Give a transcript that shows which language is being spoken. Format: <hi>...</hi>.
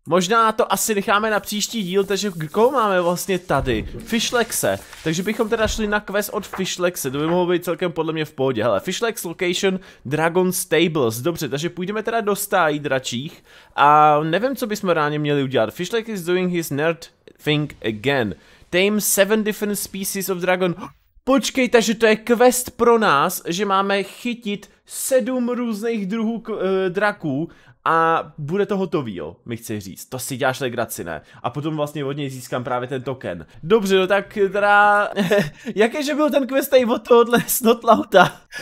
<cs>Možná to asi necháme na příští díl, takže koho máme vlastně tady? Fishlexe. Takže bychom teda šli na quest od Fishlexe, to by mohlo být celkem podle mě v pohodě. Hele, Fishlex location Dragon Stables, dobře, takže půjdeme teda do stájí dračích a nevím, co bychom ráno měli udělat.</cs> <en>Fishlex is doing his nerd thing again. Tame 7 different species of dragon.</en> <cs>Počkej, takže to je quest pro nás, že máme chytit 7 různých druhů draků a bude to hotový, jo, mi chci říct. To si děláš legraci, ne? A potom vlastně od něj získám právě ten token. Dobře, no tak teda, jaké že byl ten quest tady od tohohle Snotlauta?</cs>